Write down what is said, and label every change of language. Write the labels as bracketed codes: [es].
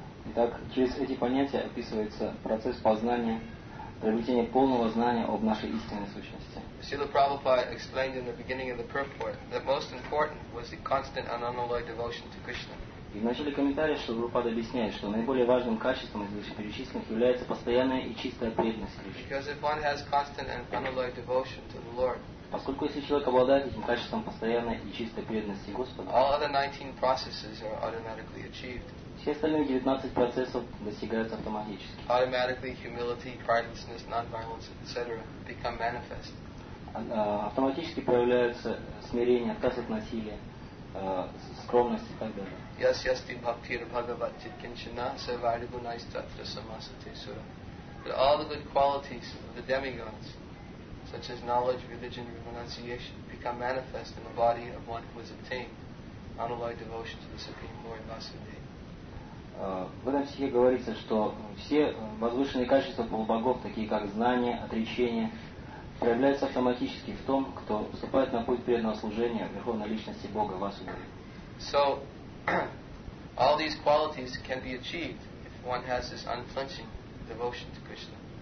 [ru] Итак, через эти понятия описывается процесс познания, приобретения полного знания об нашей истинной сущности. [en] Srila Prabhupada explained in the beginning of the purport that most important was the constant and unalloyed devotion to Krishna. [ru] И в начале комментария Шрила Прабхупада объясняет, что наиболее важным качеством из перечисленных является постоянная и чистая преданность Кришне. [en] Because if one has constant and unalloyed devotion to the Lord, [ru] поскольку если человек обладает этим качеством постоянной и чистой преданности Господу, [en] all other 19 processes are automatically achieved. [ru] Все остальные 19 процессов достигаются автоматически. [en] Automatically humility, pridelessness, non-violence, etc. become manifest. [ru] Автоматически проявляются смирение, отказ от насилия, скромность и так далее. [sa] Yes, yes, the bhakti of Bhagavati Kinchana, Savari Gunai Stattra Samasati Sura. [en] But all the good qualities of the demigods, such as knowledge, religion, and renunciation, become manifest in the body of one who has obtained unalloyed devotion to the Supreme Lord Vasudeva. [ru] В этом стихе говорится, что все возвышенные качества полубогов, такие как знание, отречение, проявляются автоматически в том, кто вступает на путь преданного служения Верховной Личности Бога Васудевы. [en] So, all these qualities can be achieved if one has this unflinching devotion to Krishna.